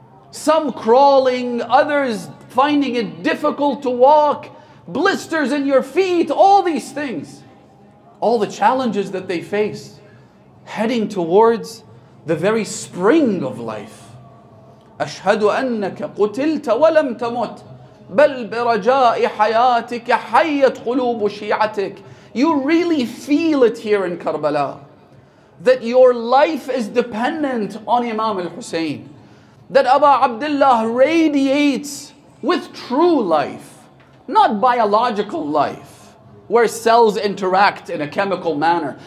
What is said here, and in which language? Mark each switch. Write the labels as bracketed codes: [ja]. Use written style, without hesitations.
[en] Some crawling, others finding it difficult to walk, blisters in your feet, all these things. All the challenges that they face, heading towards the very spring of life. [ar] أشهد أنك قتلت ولم تمت بل برجاء حياتك حيت قلوب شيعتك. [en] You really feel it here in Karbala, that your life is dependent on Imam al-Hussein. That Aba Abdullah radiates with true life, not biological life, where cells interact in a chemical manner.